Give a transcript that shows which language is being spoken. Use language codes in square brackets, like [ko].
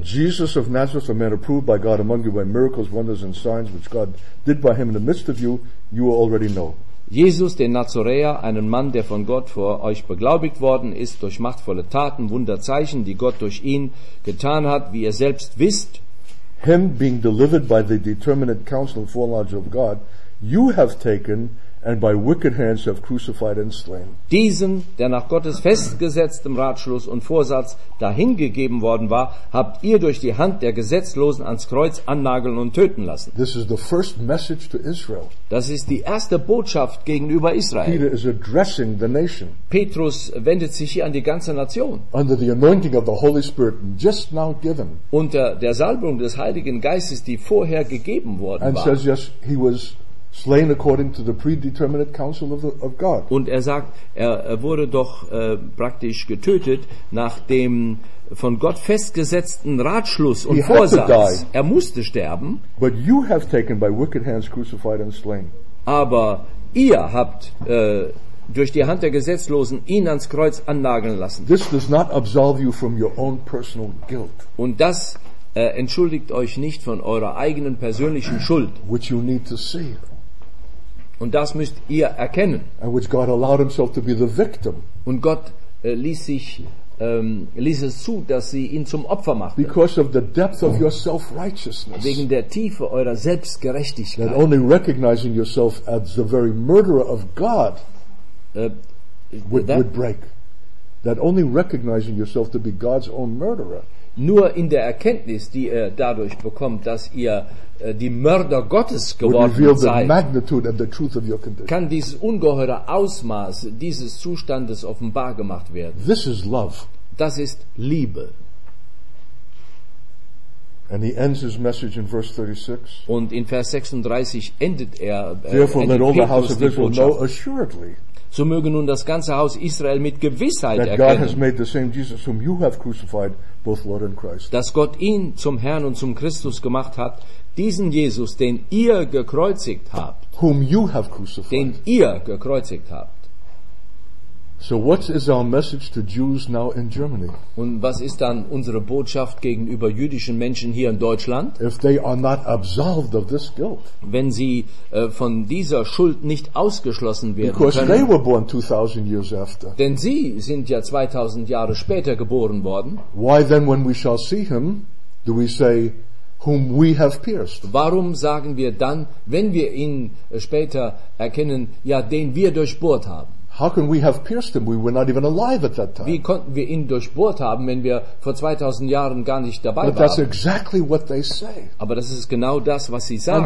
[en] Jesus of Nazareth, a man approved by God among you by miracles, wonders and signs which God did by him in the midst of you, you already know. [de] Jesus, den Nazoräer, einen Mann, der von Gott vor euch beglaubigt worden ist, durch machtvolle Taten, Wunderzeichen, die Gott durch ihn getan hat, wie ihr selbst wisst. [en] Him being delivered by the determinate counsel and foreknowledge of God, you have taken and by wicked hands have crucified and slain. [de] Diesen, der nach Gottes festgesetztem Ratschluss und Vorsatz dahingegeben worden war, habt ihr durch die Hand der Gesetzlosen ans Kreuz annageln und töten lassen. [en] This is the first message to Israel. [de] Das ist die erste Botschaft gegenüber Israel. [en] Peter is addressing the nation. [de] Petrus wendet sich hier an die ganze Nation. [en] Under the anointing of the Holy Spirit just now given. [de] Unter der Salbung des Heiligen Geistes, die vorher gegeben worden [en] and [de] war. [en] And says, yes, he was slain according to the predetermined counsel of God. [de] Und er sagt, er wurde doch praktisch getötet nach dem von Gott festgesetzten Ratschluss und [en] he [de] Vorsatz. Er musste sterben. [en] But you have taken by wicked hands crucified and slain. [de] Aber ihr habt durch die Hand der Gesetzlosen ihn ans Kreuz annageln lassen. [en] This does not absolve you from your own personal guilt. [de] Und das entschuldigt euch nicht von eurer eigenen persönlichen Schuld. [en] Which you need to see. [de] Und das müsst ihr erkennen. [en] And which God allowed himself to be the victim. [de] Und Gott ließ es zu, dass sie ihn zum Opfer machte. [en] Because of the depth of your self-righteousness. [de] Wegen der Tiefe eurer Selbstgerechtigkeit. [en] That only recognizing yourself as the very murderer of God would break. That only recognizing yourself to be God's own murderer. [de] Nur in der Erkenntnis, die ihr dadurch bekommt, dass ihr die Mörder Gottes geworden seid, kann dieses ungeheure Ausmaß dieses Zustandes offenbar gemacht werden. [en] This is love. [de] Das ist Liebe. [en] And he ends his message in verse 36. [de] Und in Vers 36 endet er. [en] Therefore, let all the house of Israel know assuredly. [de] so möge nun das ganze Haus Israel mit Gewissheit [en] that [de] erkennen, [en] God has made the same Jesus whom you have crucified, both Lord and Christ. [de] Dass Gott ihn zum Herrn und zum Christus gemacht hat, diesen Jesus, den ihr gekreuzigt habt, [en] whom you have crucified. [de] Den ihr gekreuzigt habt. [en] So what is our message to Jews now in Germany? [de] Und was ist dann unsere Botschaft gegenüber jüdischen Menschen hier in Deutschland? [en] If they are not absolved of this guilt. [de] Wenn sie von dieser Schuld nicht ausgeschlossen werden [en] Because [de] können. [en] They were born 2000 years after. [de] Denn sie sind ja 2000 Jahre später geboren worden. [en] Why then when we shall see him do we say whom we have pierced? [de] Warum sagen wir dann, wenn wir ihn später erkennen, ja, den wir durchbohrt haben? [en] How can we have pierced him? We were not even alive at that time. [de] Wie konnten wir ihn durchbohrt haben, wenn wir vor 2000 Jahren gar nicht dabei [en] But [de] waren? [en] That's exactly what they say. [de] Aber das ist genau das, was sie sagen.